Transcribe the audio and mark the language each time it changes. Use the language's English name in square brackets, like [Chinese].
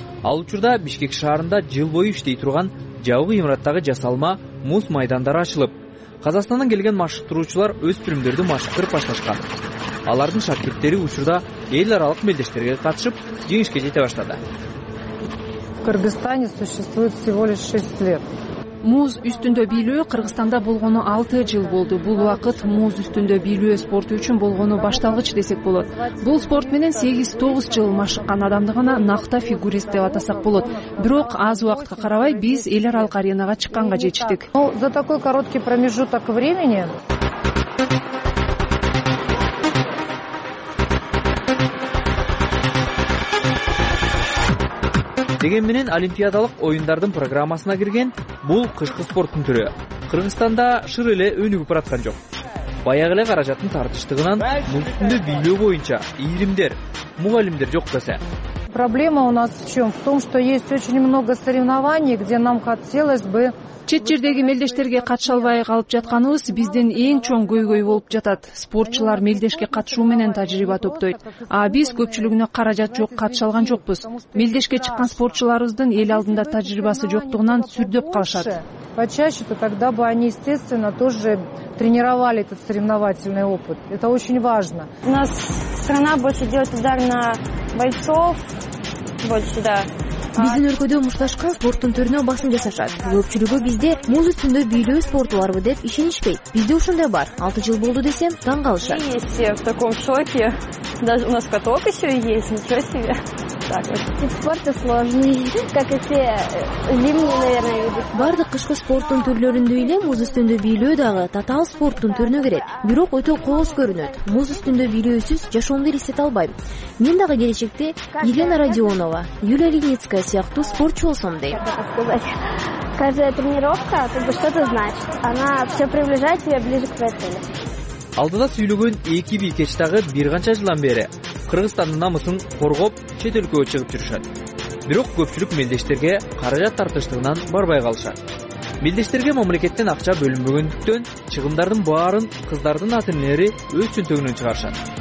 [Kyrgyz] Ал учурда Бишкек шаарында жыл бою иштей турган жабык имараттагы жасалма муз майдандары ачылып, Казакстандан келген машыктыруучулар өз түрүмдөрдү машыктырып башташкан. Алардын шакирттери учурда эл аралык белдештерге катышып, жеңишке жете баштады. [Russian] В Кыргызстане существует всего лишь 6 лет. [Kyrgyz] Муз үстүндө бийлөө Кыргызстанда болгону 6 жыл болду. Бул убакыт муз үстүндө бийлөө спорту үчүн болгону башталгыч десек болот. Бул спорт менен 8-9 жыл машыккан адамды гана накта фигурист деп атасак болот. Бирок аз убакытка карабай биз эл аралык аренага чыкканга жетиштик. [Russian] За такой короткий промежуток времени [Kyrgyz] Деген менен олимпиадалык оюндардын программасына кирген бул кышкы спорттун түрү Кыргызстанда шыр эле өнүгүп бараткан жок. Баягы эле каражаттын тартыштыгынан муз үстүндө бийлөө боюнча ийримдер, мугалимдер жок десе. [Russian] Проблема у нас в чем? В том, что есть очень много соревнований, где нам хотелось бы. [Kyrgyz] Чет жердеги мелдештерге катыша албай калып жатканыбыз биздин эң чоң көйгөй болуп жатат. Спортчулар мелдешке катышуу менен тажрыйба топтойт. А биз көпчүлүгүнө каражат жок, катыша алган жокпуз. Мелдешке чыккан спортчуларыбыздын эл алдында тажрыйбасы жоктугунан сүрдөп калышат. [Russian] Почаще то тогда бы они естественно тоже тренировали этот соревновательный опыт. Это очень важно. У нас страна больше делает удар на бойцов больше, да. [Kyrgyz] Биздин өлкөдө мушташка спорттун түрүнө басым жасашат. Көпчүлүгү бизде муз үстүндө бийлөө спорту барбы деп ишенишпейт. Бизде ушундай бар. 6 жыл болду десем таң калышат. [Russian] Мы все в таком шоке. Даже у нас каток еще есть, ничего себе. Вид спорта сложный, как и все зимние, наверное, виды. [Kyrgyz] Бардык кышкы спорттун түрлөрүндө эле муз үстүндө бийлөө дагы татаал спорттун түрүнө кирет. Бирок өтө кооз көрүнөт. Муз үстүндө бийлөөсүз жашоомду элестете албайм. Мен дагы келечекте Елена Родионова, Юлия Леницкая сыяктуу спортчу болсом дейм. [Russian] Каждая тренировка как бы что-то значит. Она все приближает тебя ближе к твоей цели. [Kyrgyz] Алдыда сүйлөгөн эки бийкеч дагы бир канча жылдан бери Кыргызстандын намысын коргоп чет өлкөгө чыгып жүрүшөт. Бирок көпчүлүк мелдештерге каражат тартыштыгынан барбай калышат. Мелдештерге мамлекеттен акча бөлүнбөгөндүктөн чыгымдардын баарын кыздардын ата-энелери өз чөнтөгүнөн чыгарышат.